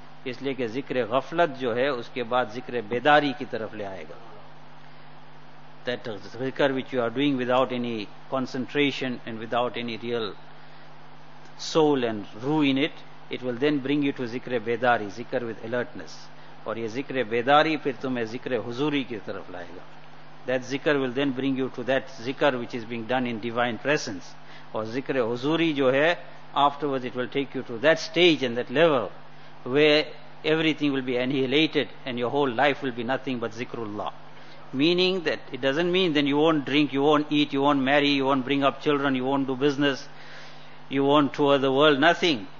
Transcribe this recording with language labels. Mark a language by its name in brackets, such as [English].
[Urdu] اس لئے کہ ذکر غفلت جو ہے اس کے بعد ذکر بیداری کی طرف لے آئے گا. [English] That ذکر which you are doing without any concentration and without any real soul and ruh in it will then bring you to ذکر بیداری, ذکر with alertness. [Urdu] اور یہ ذکر بیداری پھر تمہیں ذکر حضوری کی طرف لائے گا. [English] That ذکر will then bring you to that ذکر which is being done in divine presence. [Urdu] اور ذکر حضوری جو ہے, [English] afterwards it will take you to that stage and that level where everything will be annihilated and your whole life will be nothing but zikrullah. Meaning that it doesn't mean then you won't drink, you won't eat, you won't marry, you won't bring up children, you won't do business, you won't tour the world, nothing.